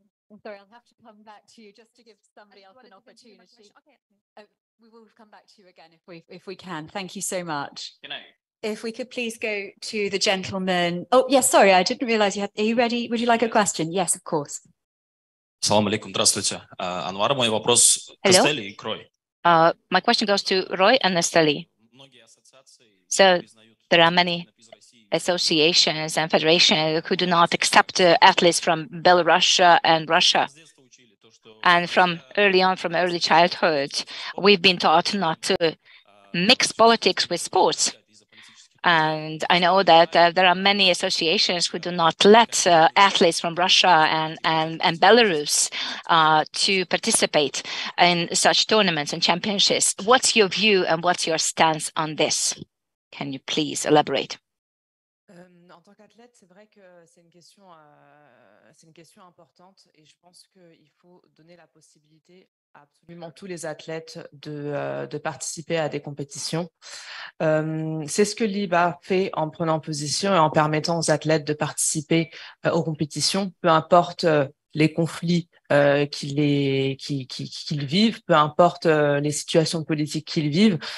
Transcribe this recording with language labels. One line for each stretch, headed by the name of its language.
English: I'm sorry, I'll have to come back to you just to give somebody else an opportunity. We will come back to you again if we can. Thank you so much. Good night. If we could please go to the gentleman. Oh, yes, sorry, I didn't realize you had. Are you ready? Would you like a question? Yes, of course.
Arabic: Assalamu alaikum,
Russian: здравствуйте. Anwar, мой вопрос к Эстели и к Рой.
English: My question goes to Рой and Эстели. So, there are many associations and federations who do not accept athletes from Belarus and Russia. And from early childhood, we've been taught not to mix politics with sports. And I know that there are many associations who do not let athletes from Russia and Belarus to participate in such tournaments and championships. What's your view and what's your stance on this? Can you please elaborate?
French: En tant qu'athlète, c'est vrai que c'est une question importante et je pense qu'il faut donner la possibilité à absolument tous les athlètes de participer à des compétitions. C'est ce que l'IBA fait en prenant position et en permettant aux athlètes de participer aux compétitions, peu importe les conflits qu'ils vivent, peu importe les situations politiques qu'ils vivent.